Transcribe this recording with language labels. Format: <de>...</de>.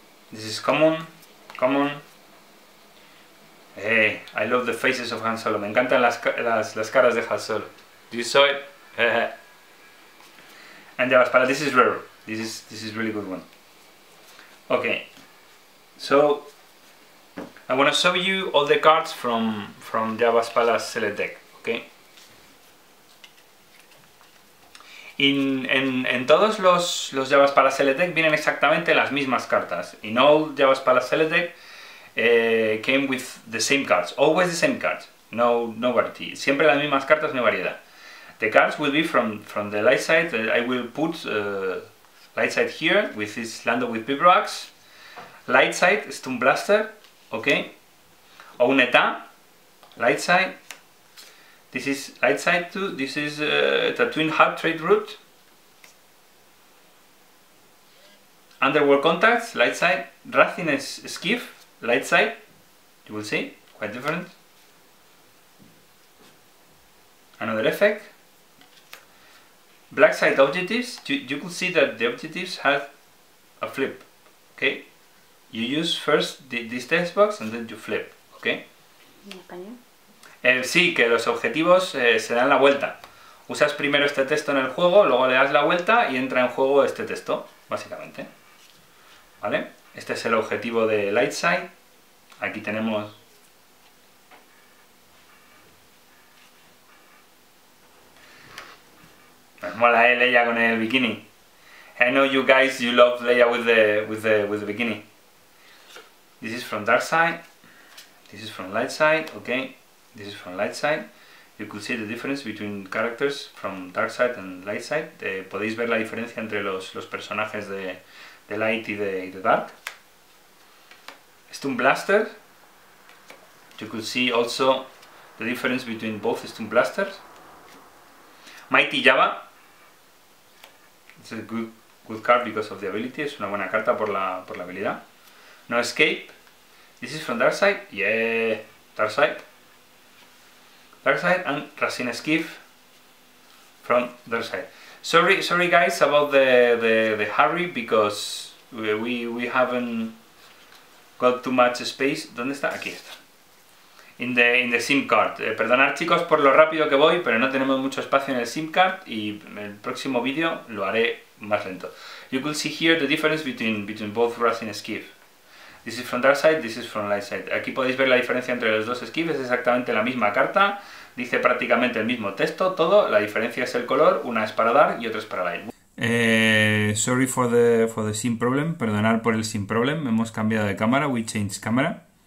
<en>This is common, common. Hey, I love the faces of Han Solo.</en> <es>Me encantan las caras de Han Solo.</es> <en>Do you saw it? And llavas palas, this is rare. This is really good one. Okay. So, I want to show you all the cards from Jabba's Palace Select Deck, okay?</en> <es>En todos los Jabba's Palace Select Deck vienen exactamente las mismas cartas.</es> <en>In all Jabba's Palace Select Deck came with the same cards. Always the same cards. No variety.</en> <es>Siempre las mismas cartas, no variedad.</es> <en>The cards will be from the light side. I will put light side here with this Lando with Pibroax. Light side, Stun Blaster, okay. O un ETA, light side. This is light side too. This is the Twin Hub Trade Route. Underworld Contacts, light side. Wrathing Skiff, light side. You will see, quite different. Another effect. Black side objectives. You could see that the objectives have a flip, okay. You use first this text box and then you flip, okay?</en> <es>¿En español? Sí, que los objetivos se dan la vuelta. Usas primero este texto en el juego, luego le das la vuelta y entra en juego este texto, básicamente. ¿Vale? Este es el objetivo de Light Side. Aquí tenemos... Me mola Leia con el bikini.</es> <en>I know you guys, you love Leia with the bikini. This is from dark side, this is from light side, okay, this is from light side. You could see the difference between characters from dark side and light side.</en> <es>Podéis ver la diferencia entre los personajes de light y de dark.</es> <en>Stun Blaster, you could see also the difference between both Stun Blasters. Mighty Jabba, it's a good card because of the ability,</en> <es>es una buena carta por la habilidad.</es> <en>No Escape. This is from Dark Side, yeah, Dark Side. Dark Side and Wrathing Skiff from Dark Side. Sorry guys about the hurry because we haven't got too much space.</en> <es>¿Dónde está? Aquí está.</es> <en>In the SIM card.</en> <es>Perdonad chicos por lo rápido que voy, pero no tenemos mucho espacio en el SIM card y en el próximo vídeo lo haré más lento.</es> <en>You could see here the difference between both Wrathing Skiff. This is from dark side, this is from light side.</en> <es>Aquí podéis ver la diferencia entre los dos skiffs, es exactamente la misma carta, dice prácticamente el mismo texto, todo, la diferencia es el color, una es para dark y otra es para light.</es> <en>Sorry for the sim problem,</en> <es>perdonar por el sim problem, hemos cambiado de cámara,</es> <en>we changed camera.</en>